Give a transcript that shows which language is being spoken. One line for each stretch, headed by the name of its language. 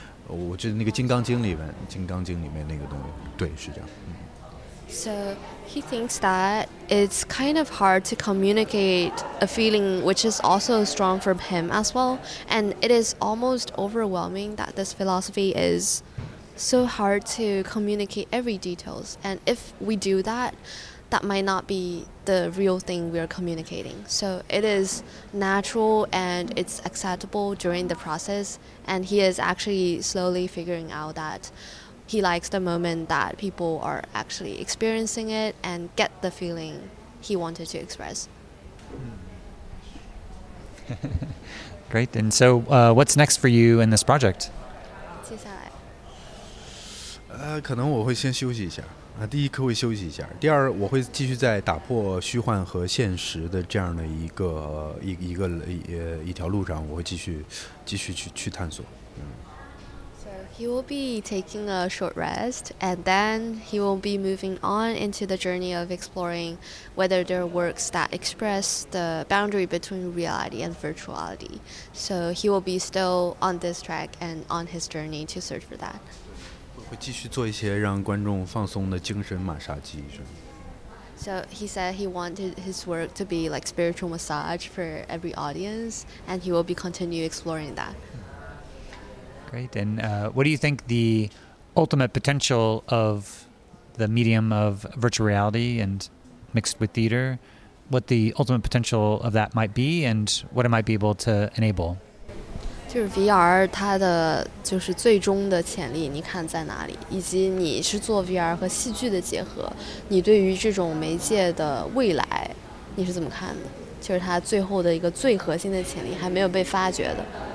Chinese: 我觉得那个金刚经里面那个东西，对，是这样。
English: So he thinks that it's kind of hard to communicate a feeling which is also strong for him as well. And it is almost overwhelming that this philosophy is so hard to communicate every details. And if we do that, that might not be the real thing we are communicating. So it is natural and it's acceptable during the process. And he is actually slowly figuring out that he likes the moment that people are actually experiencing it and get the feeling he wanted to express. Great. And so what's next for you in this project?
Chinese: 接下来可能我会先休息一下，第一课会休息一下，第二我会继续在打破虚幻和现实的这样的一条路上，我会继续去探索。
English: He will be taking a short rest, and then he will be moving on into the journey of exploring whether there are works that express the boundary between reality and virtuality. So he will be still on this track and on his journey to search for that.
Chinese: 会继续做一些让观众放松的精神马杀鸡，是吗？
English: So he said he wanted his work to be like spiritual massage for every audience, and he will be continue exploring that. Great. And what do you think the ultimate potential of the medium of virtual reality and mixed with theater, what the ultimate potential of that might be and what it might be able to enable?
Chinese: 就是 VR 它的就是最终的潜力你看在哪里，以及你是做 VR 和戏剧的结合，你对于这种媒介的未来你是怎么看的，就是它最后的一个最核心的潜力还没有被发掘的。